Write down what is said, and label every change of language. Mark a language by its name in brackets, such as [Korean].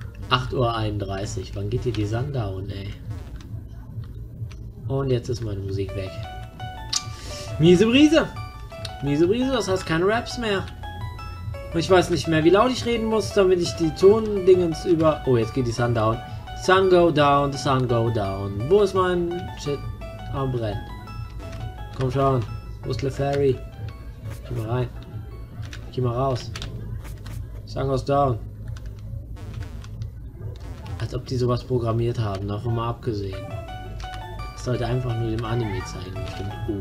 [German] 8.31 Uhr. Wann geht hier die Sun down, ey? Und jetzt ist meine Musik weg. Miese Brise! Miese Brise, das heißt keine Raps mehr. Und ich weiß nicht mehr, wie laut ich reden muss, damit ich die Tondingens über... Oh, jetzt geht die Sun down. [English] Sun go down, the sun go down. [German] Wo ist mein Shit am Brennen? Komm schon, wo ist Clefairy? Geh mal rein. Geh mal raus. [English] Sun goes down. [German] gedacht, ob die sowas programmiert haben, davon mal abgesehen. Das sollte einfach nur dem Anime zeigen, bestimmt.